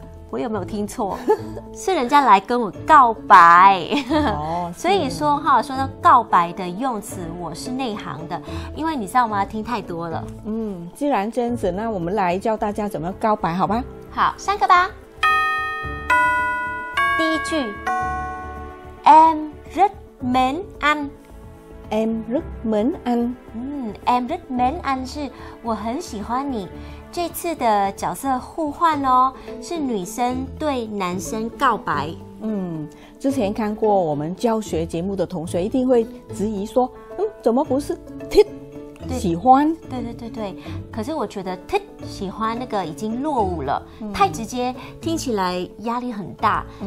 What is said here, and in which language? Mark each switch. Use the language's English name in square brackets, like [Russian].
[Chinese] 我有没有听错？是人家来跟我告白。哦，所以说哈，说到告白的用词，我是内行的，因为你知道吗？听太多了。嗯，既然这样子，那我们来教大家怎么告白，好吧？好，三个吧。第一句 [Vietnamese] ，Em rất mến anh。 Em rất mến anh。 Em rất mến anh [Chinese] 是我很喜欢你。这次的角色互换哦，是女生对男生告白。之前看过我们教学节目的同学一定会质疑说，怎么不是 tit 喜欢？对对对对，可是我觉得 tit 喜欢那个已经落伍了，太直接，听起来压力很大。